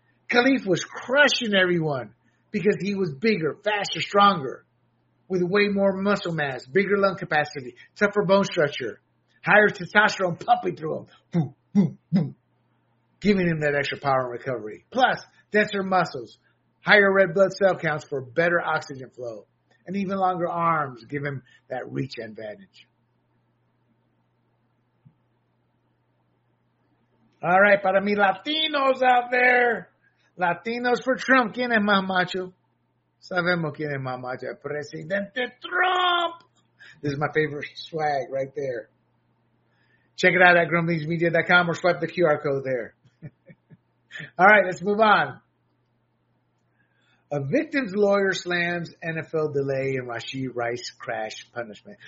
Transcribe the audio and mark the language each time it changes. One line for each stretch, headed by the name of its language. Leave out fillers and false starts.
English: Khalif was crushing everyone because he was bigger, faster, stronger, with way more muscle mass, bigger lung capacity, tougher bone structure, higher testosterone pumping through him, boom, boom, boom, giving him that extra power and recovery, plus denser muscles, higher red blood cell counts for better oxygen flow, and even longer arms give him that reach advantage. All right,
Spanish: para mi Latinos
English: out there,
Spanish: Latinos for Trump, ¿quién es más macho? Sabemos quién es más macho, Presidente Trump.
English: This is my favorite swag right there. Check it out at grumblingsmedia.com or swipe the QR code there. All right, let's move on. A victim's lawyer slams NFL delay in Rashee Rice crash punishment.